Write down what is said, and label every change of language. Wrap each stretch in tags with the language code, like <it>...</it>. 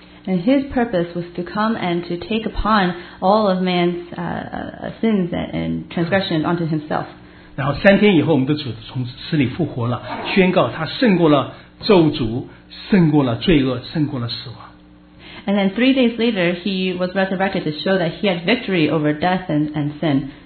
<en>And his purpose was to come and to take upon all of man's sins and transgressions onto himself.</en> <zh>然后三天以后，我们的主从死里复活了，宣告他胜过了咒诅，胜过了罪恶，胜过了死亡。</zh> <en>And then 3 days later, he was resurrected to show that he had victory over death and sin.</en>